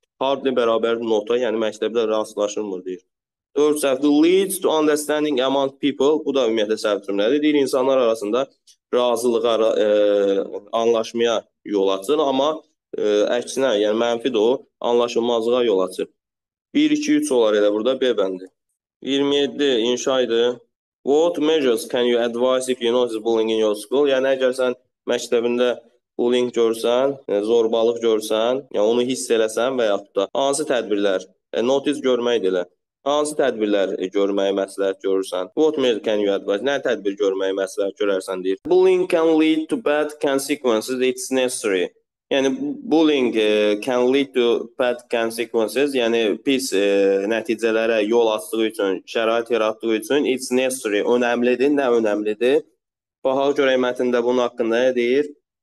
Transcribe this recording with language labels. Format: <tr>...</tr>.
<az>Hardly bərabər nota, yəni məktəblə rastlaşılmır deyir. Dörd səhv,</az> <en>leads to understanding among people,</en> <az>bu da ümumiyyətlə səhv cümlədir, deyir, insanlar arasında razılığa, anlaşmaya yol açır, amma əksinə, yəni mənfi də o, anlaşılmazlığa yol açır. 1, 2, 3 olar elə burada, B bəndi. 27, inşaydı.</az> <en>What measures can you advise if you notice bullying in your school?</en> <az>Yəni, əgər sən məktəbində bullying görsən, zorbalıq görsən, yəni onu hiss eləsən və yaxud da hansı tədbirlər, notice görməkdir elə. Hansı tədbirlər görməyi məsləhət görürsən?</az> <en>What measures can you advise?</en> <az>Nə tədbir görməyi məsləhət görərsən deyir.</az> <en>Bullying can lead to bad consequences. It's necessary. Yəni, bullying can lead to bad consequences.</en> <az>Yəni, pis nəticələrə yol açdığı üçün, şərait yaratdığı üçün</az> <en>it's necessary.</en> <az>Önəmlidir. Nə önəmlidir? Baha görək mətində bunun haqqında nə deyir?</az>